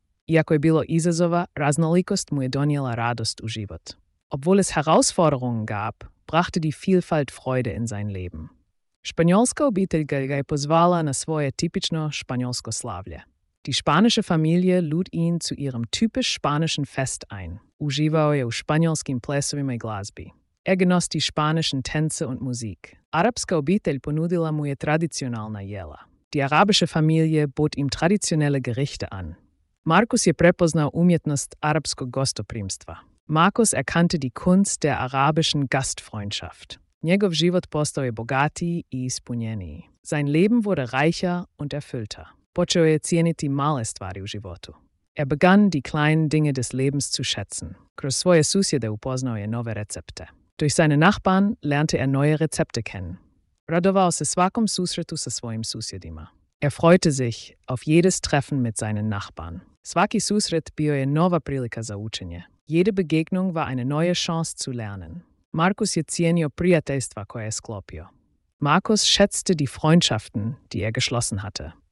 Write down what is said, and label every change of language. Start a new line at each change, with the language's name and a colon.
Croatian: Iako je bilo izazova, raznolikost mu je donijela radost u život.
German: Obwohl es Herausforderungen gab, brachte die Vielfalt Freude in sein Leben.
Croatian: Španjolska obitelj ga je pozvala na svoje tipično španjolsko slavlje.
German: Die spanische Familie lud ihn zu ihrem typisch spanischen Fest ein.
Croatian: Uživao je u španjolskim plesovima i glazbi.
German: Er genoss die spanischen Tänze und Musik.
Croatian: Arabska obitelj ponudila mu je tradicionalna jela.
German: Die arabische Familie bot ihm traditionelle Gerichte an.
Croatian: Markus je prepoznao umjetnost arapskog gostoprimstva.
German: Markus erkannte die Kunst der arabischen Gastfreundschaft.
Croatian: Njegov život postao je bogatiji i ispunjeniji.
German: Sein Leben wurde reicher und erfüllter.
Croatian: Počeo je cijeniti male stvari u životu.
German: Er begann, die kleinen Dinge des Lebens zu schätzen.
Croatian: Kroz svoje susjede upoznao je nove recepte.
German: Durch seine Nachbarn lernte er neue Rezepte kennen.
Croatian: Radovao se svakom susretu sa svojim susjedima.
German: Er freute sich auf jedes Treffen mit seinen Nachbarn.
Croatian: Svaki susret bio je nova prilika za učenje.
German: Jede Begegnung war eine neue Chance zu lernen.
Croatian: Markus je cijenio prijateljstva koje je sklopio.
German: Markus schätzte die Freundschaften, die er geschlossen hatte.